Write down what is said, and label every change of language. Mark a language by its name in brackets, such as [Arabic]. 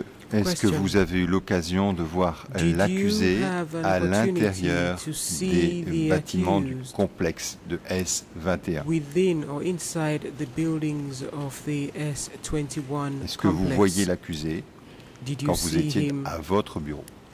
[French] Est-ce que vous avez eu l'occasion de voir l'accusé à l'intérieur des bâtiments du complexe de S21? [English] Within or inside the buildings of the S21 complex? [French] Est-ce que vous voyez l'accusé quand vous étiez à votre bureau?